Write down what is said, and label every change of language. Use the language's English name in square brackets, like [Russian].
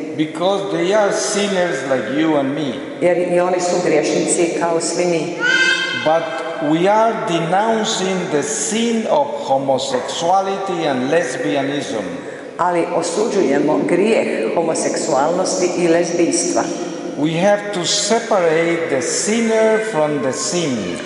[English] Because they are sinners like you and me. [Croatian] Jer i oni su griješnici kao svi mi. [English] But we are denouncing the sin of homosexuality and lesbianism. [Croatian] Ali osuđujemo grijeh homoseksualnosti i lezbijstva. [English] We have to separate the sinner from the sin.